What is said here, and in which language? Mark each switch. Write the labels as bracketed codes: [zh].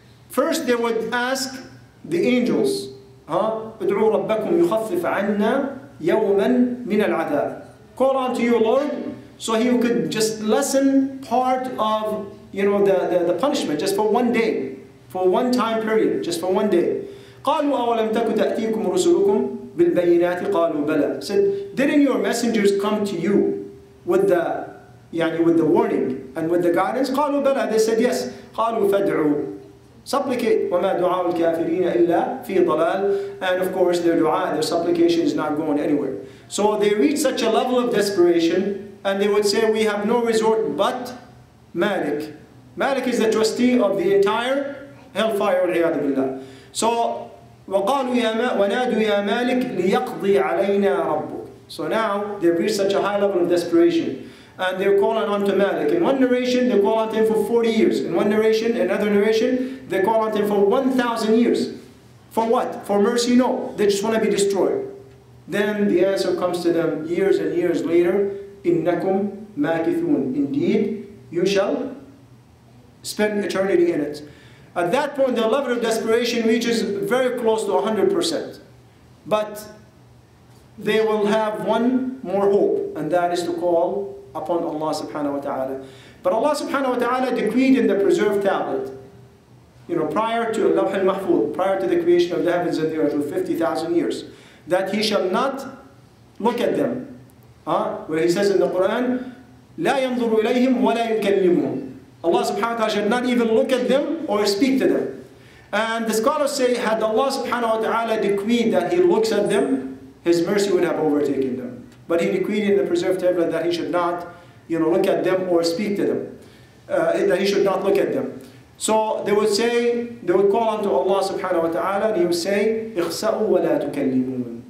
[en] First, they would ask the angels, [ar] ادعوا ربكم يخفف عنا يوما من العذاب. [en] Call unto you, Lord, so he could just lessen part of, you know, the punishment, just for one day, for one time period, just for one day. [ar] قالوا أولم تكن تأتيكم رسلكم بالبينات قالوا بلى. [en] Said, didn't your messengers come to you with the, [ar] يعني [en] with the warning and with the guidance? [ar] قالوا بلى. [en] They said yes. [ar] قالوا فادعوا. [en] Supplicate. [ar] وما دعاء الكافرين إلا في ضلال. [en] And of course, their dua, their supplication is not going anywhere. So they reach such a level of desperation, and they would say, we have no resort but Malik. Malik is the trustee of the entire hellfire, [ar] والعياذ بالله. So, وقالوا يا ما ونادوا يا مالك ليقضي علينا ربك. [en] So now they've reached such a high level of desperation, and they're calling on to Malik. In one narration, they call on him for 40 years. In one narration, another narration, they call on him for 1,000 years. For what? For mercy? No. They just want to be destroyed. Then the answer comes to them years and years later. [ar] إنكم ماكثون. [en] Indeed, you shall spend eternity in it. At that point, the level of desperation reaches very close to 100%. But they will have one more hope, and that is to call upon Allah subhanahu wa ta'ala. But Allah subhanahu wa ta'ala decreed in the preserved tablet, you know, prior to Lawh al-Mahfuz, prior to the creation of the heavens and the earth with 50,000 years, that he shall not look at them. Where he says in the Quran, [ar] لا ينظر إليهم ولا يكلمهم. [en] Allah subhanahu wa ta'ala should not even look at them or speak to them. And the scholars say, had Allah subhanahu wa ta'ala decreed that he looks at them, his mercy would have overtaken them. But he decreed in the preserved tablet that he should not, you know, look at them or speak to them. That he should not look at them. So they would say, they would call unto Allah subhanahu wa ta'ala, and he would say, [ar] اخسأوا ولا تكلمون.